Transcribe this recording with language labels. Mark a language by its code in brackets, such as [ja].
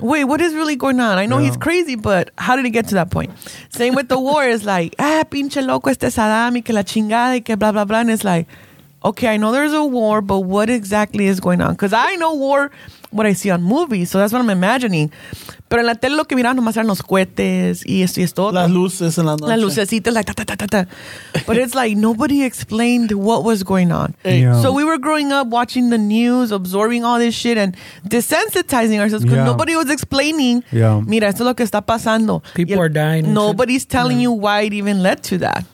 [en] Wait, what is really going on? I know he's crazy, but how did it get to that point? Same with the war. It's like, [es] ah, pinche loco, este Saddam y que la chingada y que blah, blah, blah. [en] And it's like, okay, I know there's a war, but what exactly is going on? Because I know war, what I see on movies, so that's what I'm imagining. [es] Pero en la tele lo que miraban nomás eran los cohetes y esto y esto. Las luces en la noche. Las lucecitas, like, ta, ta, ta, ta, ta. [en] But it's like, nobody explained what was going on. Yeah. So we were growing up watching the news, absorbing all this shit, and desensitizing ourselves because nobody was explaining, [es] mira, esto es lo que está pasando. [en] People are dying. Nobody's telling you why it even led to that.